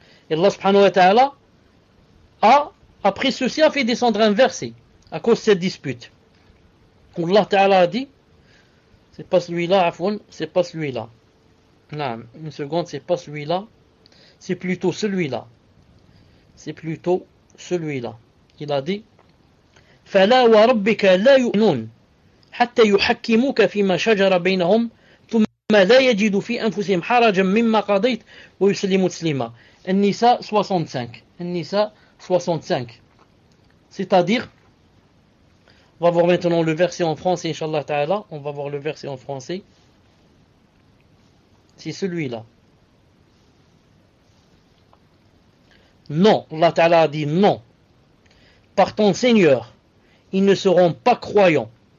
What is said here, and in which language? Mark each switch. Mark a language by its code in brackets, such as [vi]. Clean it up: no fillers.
[fr] Et Allah subhanahu wa ta'ala a, après ceci, a fait descendre un verset à cause de cette dispute. Allah ta'ala a dit, c'est pas celui-là, Afoun, c'est pas celui-là. Non, une seconde, c'est pas celui-là, c'est plutôt celui-là. C'est plutôt celui-là. [ar] Il a dit: فلا وربك لا يؤمنون حتى يحكموك فيما شجر بينهم ثم لا يجدوا في أنفسهم حرجا مما قضيت ويسلموا تسليما. النساء 65. النساء 65. [fr] C'est-à-dire, on va voir maintenant le verset en français, inshallah ta'ala. On va voir le verset en français. C'est celui-là. Non, Allah ta'ala a dit non. Par ton Seigneur, ils ne seront pas croyants.